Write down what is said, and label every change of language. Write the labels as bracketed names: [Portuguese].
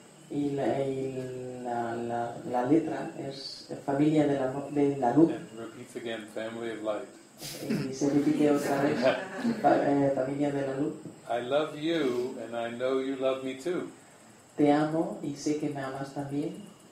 [Spanish] Y la letra es "Familia de la luz." [English] And repeats again, "Family of Light." [Spanish] Y se repite otra vez, "Familia de la luz." [English] I love you, and I know you love me too. [Spanish] Te amo y sé que me amas también.